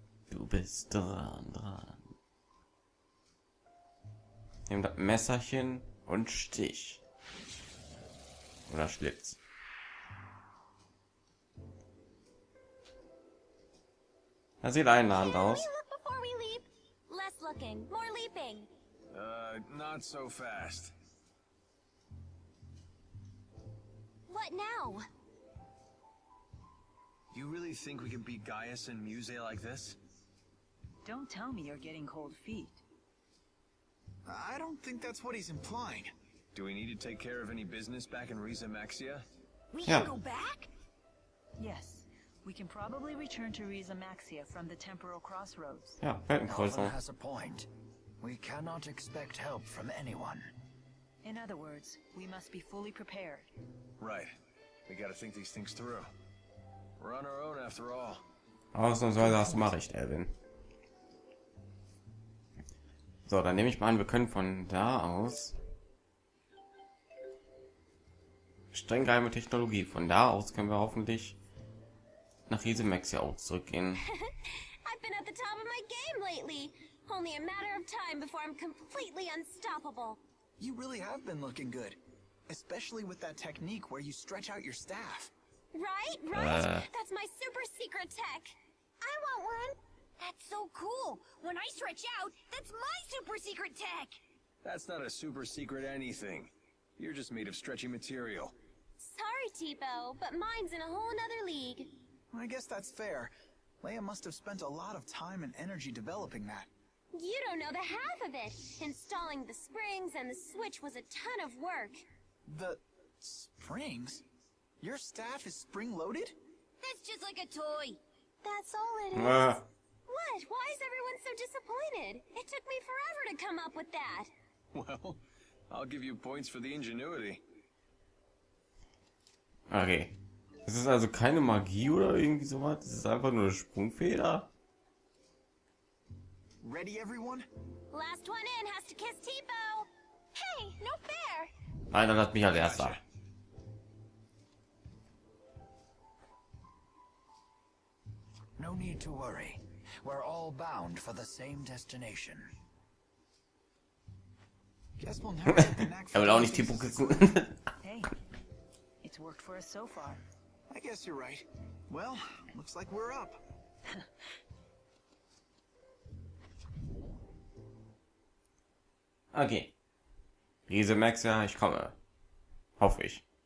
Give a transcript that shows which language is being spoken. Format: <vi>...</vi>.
<de>Du bist dran. Nimm das Messerchen und stich. Oder schlitz. Das sieht einladend aus.</de> <en>Less looking, more leaping. Not so fast. What now? You really think we can beat Gaius and Muse like this? Don't tell me you're getting cold feet. I don't think that's what he's implying. Do we need to take care of any business back in Risa Maxia? We can go back? Yes. We can probably return to Risa Maxia from the temporal crossroads. Yeah, Alpha has a point. We cannot expect help from anyone. In other words, we must be fully prepared. Right. We gotta think these things through. We're on our own after all.</en> <de>Ausnahmsweise hast du mal recht, Alvin. So, dann nehme ich mal an, wir können von da aus. Streng geheime Technologie. Von da aus können wir hoffentlich nach Risemax ja auch zurückgehen.</de> <en>I've been at the top of my game lately. Only a matter of time before I'm completely unstoppable. You really have been looking good. Especially with that technique where you stretch out your staff. Right, right. That's my super secret tech. I want one. That's so cool. When I stretch out, that's my super secret tech. That's not a super secret anything. You're just made of stretchy material. Sorry, Tipo, but mine's in a whole nother league. I guess that's fair. Leia must have spent a lot of time and energy developing that. You don't know the half of it. Installing the springs and the switch was a ton of work. The springs? Your staff is spring-loaded? That's just like a toy. That's all it is. What? Why is everyone so disappointed? It took me forever to come up with that. Well, I'll give you points for the ingenuity. Okay.</en> <de>Es ist also keine Magie oder irgendwie sowas. Es ist einfach nur eine Sprungfeder.</de> <en>Ready, everyone? Last one in has to kiss Tipo. Hey, no fair.</en> <de>Nein, dann hat mich als Erster.</de> <en>No need to worry. We're all bound for the same destination. Guess we'll never get the knack.</en> <de>Er will auch nicht Tipo küssen.</de> <en>Hey, it's worked for us so far. I guess you're right. Well, looks like we're up.</en> <de>Okay. Riese Max, ja, ich komme. Hoffe ich.</de>